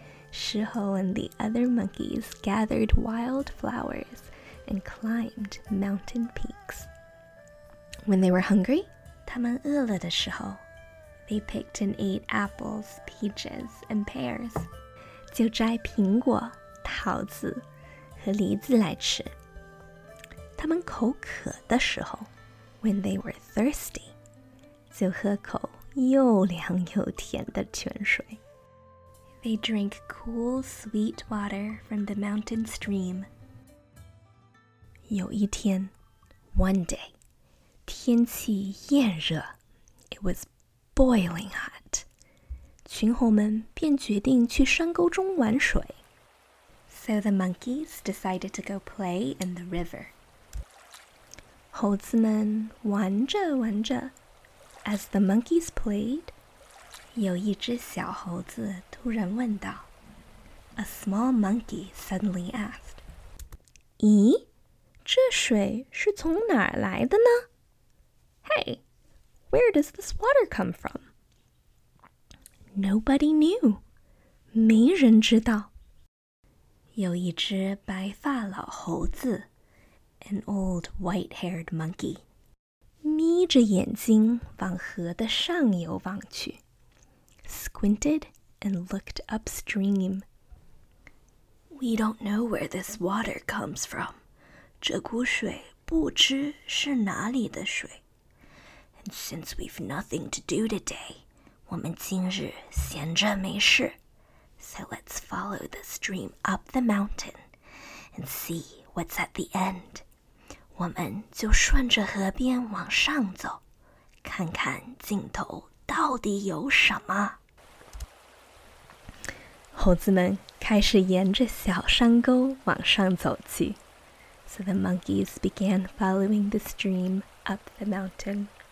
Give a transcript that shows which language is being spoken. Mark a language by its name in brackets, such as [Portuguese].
[Chinese] 狮猴 [English] and the other monkeys gathered wild flowers and climbed mountain peaks. When they were hungry, [Chinese] 他们饿了的时候 [English] They picked and ate apples, peaches, and pears. [Chinese] 就摘苹果、桃子和梨子来吃。他们口渴的时候 , [English] when they were thirsty, [Chinese] 就喝口又凉又甜的泉水。 [English] They drank cool, sweet water from the mountain stream. [Chinese] 有一天 [English] ,one day, [Chinese] 天气炎热 [English] ,it was boiling hot. [Chinese] 群猴们便决定去山沟中玩水。 [English] So the monkeys decided to go play in the river. [Chinese] 猴子们玩着玩着 , [English] as the monkeys played, [Chinese] 有一只小猴子突然问道。 [English] A small monkey suddenly asked, [Chinese] 咦,这水是从哪儿来的呢? [English] Hey,Where does this water come from? Nobody knew. [Chinese] 没人知道。有一只白发老猴子 [English] an old white-haired monkey, [Chinese] 眯着眼睛往河的上游望去 [English] squinted and looked upstream. We don't know where this water comes from. [Chinese] 这股水不知是哪里的水。 [English] And since we've nothing to do today, [Chinese] 我们今日闲着没事。 [English] So let's follow the stream up the mountain and see what's at the end. [Chinese] 我们就顺着河边往上走，看看尽头到底有什么。猴子们开始沿着小山沟往上走去。 [English] So the monkeys began following the stream up the mountain.